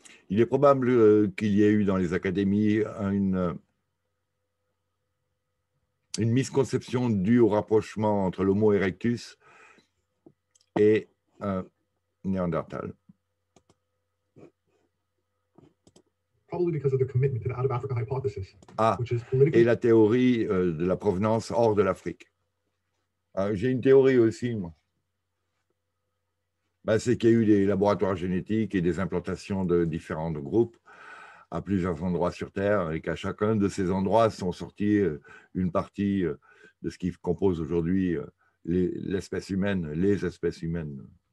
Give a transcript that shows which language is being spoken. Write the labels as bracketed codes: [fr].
[fr] Il est probable qu'il y ait eu dans les académies une une misconception due au rapprochement entre l'Homo erectus et Néandertal. [en] Probably because of the commitment to the out of Africa hypothesis, which is politically. [fr] Et la théorie de la provenance hors de l'Afrique. J'ai une théorie aussi, moi. Ben, c'est qu'il y a eu des laboratoires génétiques et des implantations de différents groupes à plusieurs endroits sur Terre, et qu'à chacun de ces endroits sont sortis une partie de ce qui compose aujourd'hui l'espèce humaine, les espèces humaines.